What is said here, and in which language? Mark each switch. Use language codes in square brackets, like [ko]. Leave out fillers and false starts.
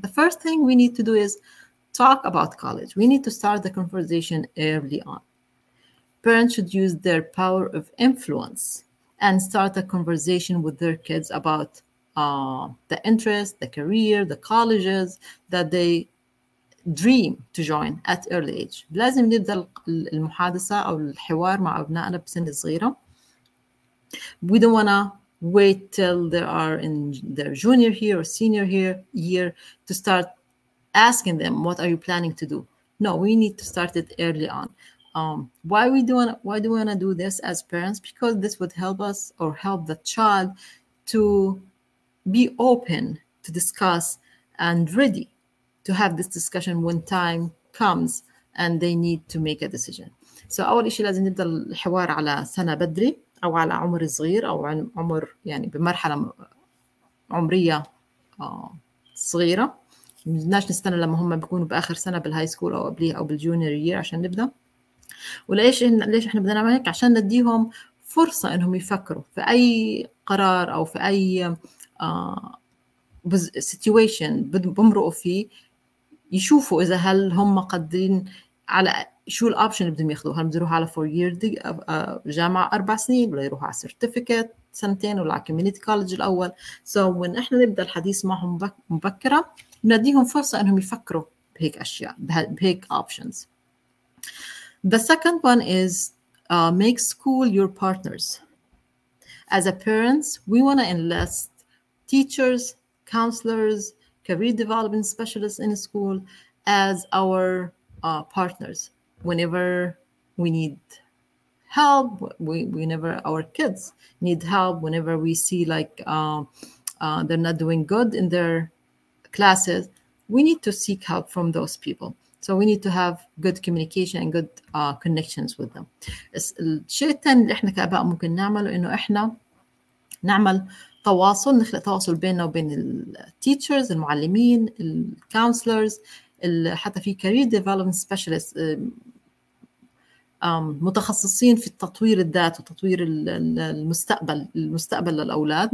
[en] The first thing we need to do is talk about college. We need to start the conversation early on. Parents should use their power of influence and start a conversation with their kids about the interest, the career, the colleges that they dream to join at early age. [ar] لازم نبدأ المحادثة أو الحوار مع أبنائنا بسن صغيرة. [en] We don't wanna wait till they are in their junior year or senior year to start asking them, what are you planning to do? No, we need to start it early on. Why do we want to do this as parents? Because this would help us or help the child to be open to discuss and ready to have this discussion when time comes and they need to make a decision. [ar] So أول إشي لازم نبدأ الحوار على سنة بدري أو على عمر صغير أو عن عمر يعني بمرحلة عمرية صغيرة. بدناش نستنى لما هم بيكونوا بآخر سنة بالهاي سكول أو قبليه أو بالجونيور يير عشان نبدأ. وليش ليش إحنا بدنا نعمل هيك؟ عشان نديهم فرصة إنهم يفكروا في أي قرار أو في أي situation بمرقوا فيه يشوفوا إذا هل هم قادرين على شو الأوبشن اللي بدهم ياخذوه. هل بدهم يروحوا على 4 year جامعة 4 سنين ولا يروحوا على certificate سنتين ولا على community college الأول. [en] So when [ar] إحنا نبدأ الحديث معهم مبكرة نديهم فرصة إنهم يفكروا بهيك أشياء بهيك options. [en] The second one is make school your partners. As a parents, we want to enlist teachers, counselors, career development specialists in school as our partners whenever we need help, whenever our kids need help, whenever we see like they're not doing good in their classes, we need to seek help from those people. So we need to have good communication and good connections with them. [ar] الشيء الثاني اللي احنا كأباء ممكن نعمله انه احنا نعمل تواصل, نخلق تواصل بيننا وبين التيتشرز, المعلمين, الكونسلرز, حتى في [en] career development specialists [ar] متخصصين في تطوير الذات وتطوير المستقبل للأولاد.